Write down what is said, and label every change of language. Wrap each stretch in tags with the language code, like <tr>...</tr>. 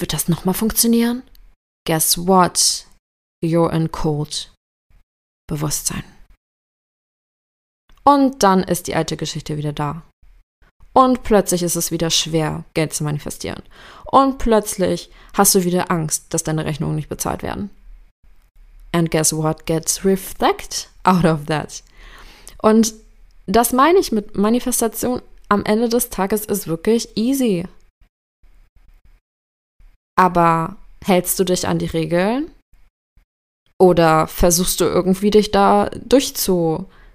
<de>Wird das nochmal funktionieren?</de> <en>Guess what? You're in cold.</en> <de>Bewusstsein. Und dann ist die alte Geschichte wieder da. Und plötzlich ist es wieder schwer, Geld zu manifestieren. Und plötzlich hast du wieder Angst, dass deine Rechnungen nicht bezahlt werden.</de> <en>And guess what gets reflected out of that?</en> <de>Und das meine ich mit Manifestation. Am Ende des Tages ist wirklich easy. Aber hältst du dich an die Regeln? Oder versuchst du irgendwie dich da durchzumogeln?</de>